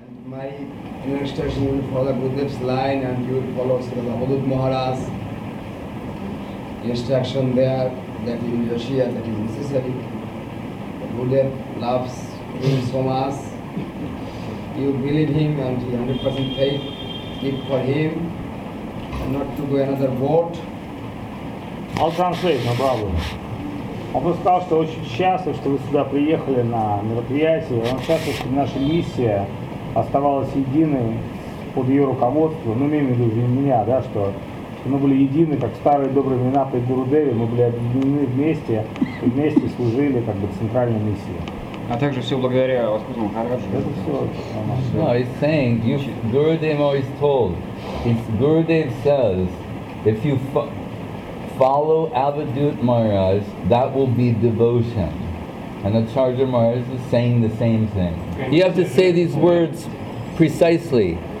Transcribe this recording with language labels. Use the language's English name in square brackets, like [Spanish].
[English] Hi, Anushtash, you will follow Gurudev's line and you will follow Srila Hulud Maharaj's instruction there, that in Russia, that is necessary. Gurudev loves him so much. You believe him and he 100% faith, keep for him and not to go another boat. I'll translate, no problem. [Russian] Он сказал, что очень счастлив, что вы сюда приехали на мероприятие. Он счастлив, что наша миссия оставалась единой под ее руководством. Ну, имеем в виду и меня, да, что мы были едины, как старые добрые времена при Гурудеве. Мы были объединены вместе и вместе служили как бы центральной миссии. А также все благодаря Господу Махараджу. [English] No, he's saying, Gurudev always told, it's Gurudev says, if you follow Avadhut Maharaj, that will be devotion. And Acharya Maharaj is saying the same thing. You have to say these words precisely.